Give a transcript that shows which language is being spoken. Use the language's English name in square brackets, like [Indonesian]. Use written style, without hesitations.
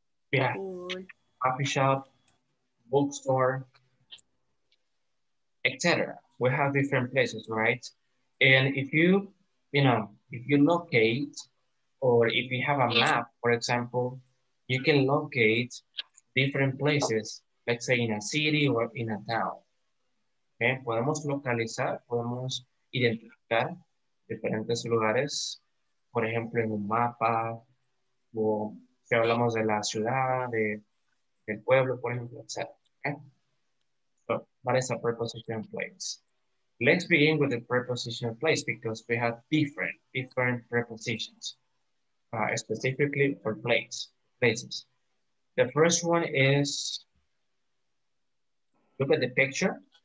[English] yeah, coffee shop, bookstore, etc. We have different places, right? And if you, you know, if you locate, or if you have a map, for example, you can locate different places. Let's say in a city or in a town. Okay? [Spanish] Podemos localizar, podemos identificar diferentes lugares, por ejemplo, en un mapa, o si hablamos de la ciudad, del pueblo, por ejemplo, etc. [English] Okay? So, that is a preposition place. Let's begin with the preposition place because we have different prepositions, specifically for places. The first one is, look at the picture.